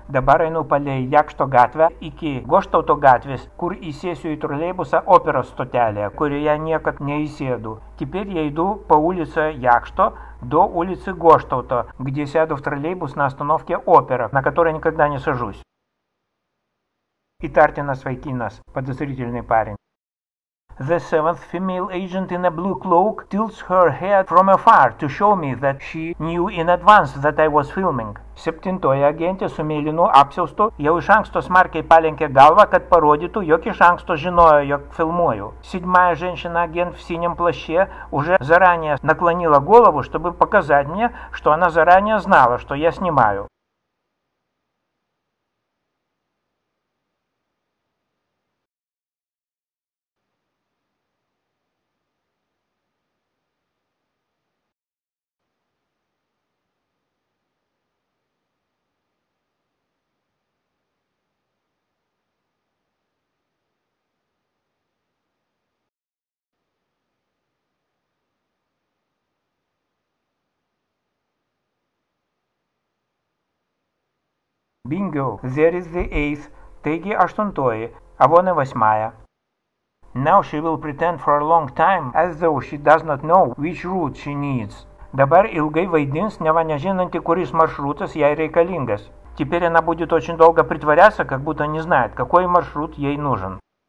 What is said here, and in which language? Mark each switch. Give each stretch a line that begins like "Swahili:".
Lithuanian: Dabar einu palei Yakshto gatvę iki Goshtoto gatvės, kur įsėsiu į troleibusą operos stotelėje, kurioje niekad neįsėdu.
Russian: Теперь я иду по улице Yakshto до улицы Goshtoto, где сяду в троллейбус на остановке опера, на которой никогда не сажусь.
Lithuanian: Įtartinas vaikinas,
Russian: подозрительный парень.
English: The seventh female agent in a blue cloak tilts her head from afar to show me that she knew in advance that I was filming.
Lithuanian: Septintoji agentė su mėlynu apsiaustu jau iš anksto smarkiai palenkė galvą, kad parodytų, jog iš anksto žinojo, jog filmuoju.
Russian: Седьмая женщина агент в синем плаще уже заранее наклонила голову, чтобы показать мне, что она заранее знала, что я снимаю.
English: Bingo, there is the eighth.
Lithuanian: Taigi aštuntoji,
Russian: а вон и восьмая.
English: Now she will pretend for a long time, as though she does not know which route she needs.
Lithuanian: Dabar ilgai vaidins, neva nežinanti, kuris maršrutas jai reikalingas.
Russian: Теперь она будет очень долго притворяться, как будто не знает, какой маршрут ей нужен.